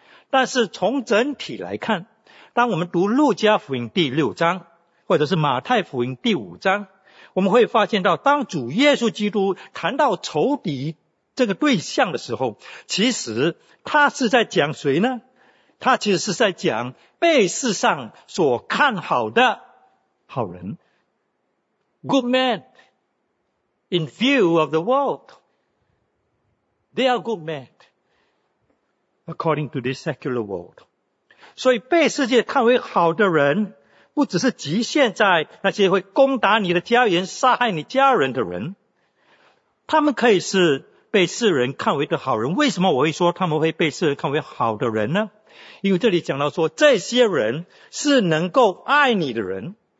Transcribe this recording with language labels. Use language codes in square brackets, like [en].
[zh] 但是从整体来看，当我们读路加福音第六章或者是马太福音第五章，我们会发现到，当主耶稣基督谈到仇敌这个对象的时候，其实他是在讲谁呢？他其实是在讲被世上所看好的好人， [en] good men in view of the world, they are good men according to this secular world. [zh] 所以被世界看为好的人，不只是局限在那些会攻打你的家园、杀害你家人的人，他们可以是被世人看为的好人。为什么我会说他们会被世人看为好的人呢？因为这里讲到说，这些人是能够爱你的人，